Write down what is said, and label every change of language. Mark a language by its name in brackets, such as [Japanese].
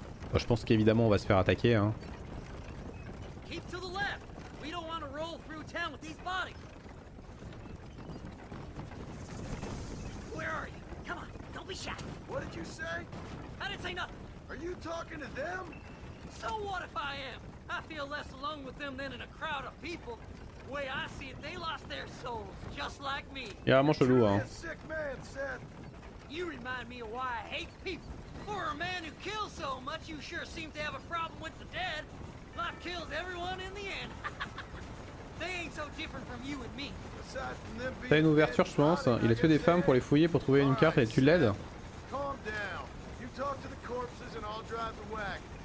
[French] Bon, je pense qu'évidemment on va se faire attaquer hein. [English] Keep to the left. We don't want to roll through town with these bodies. Where are you? Come on, don't be shy. What did you say? I didn't say nothing. Are you talking to them? So what if I am? I feel less alone with them than in a crowd of people. The way I see it, they lost their souls, just like me. Yeah, I'm chelou, hein. Sick man, Seth. You remind me of why I hate people. For a man who kills so much, you sure seem to have a problem with the dead. Life kills everyone in the end. They ain't so different from you and me. [French] T'as une ouverture, je pense. Il a tué des femmes pour les fouiller, pour trouver une carte et tu l'aides. [English] Calm down. You talk to the corpses and I'll drive the wagon.